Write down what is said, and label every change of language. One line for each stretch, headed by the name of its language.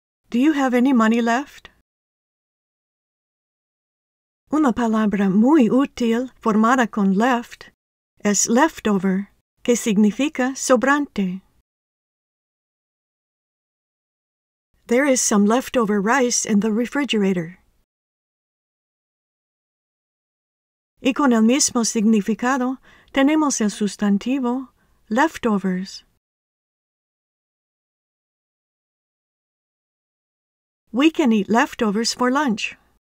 English: Do you have any money left?
Spanish: Una palabra muy útil formada con left es leftover, que significa sobrante.
English: There is some leftover rice in the refrigerator.
Spanish: Y con el mismo significado, tenemos el sustantivo leftovers.
English: We can eat leftovers for lunch.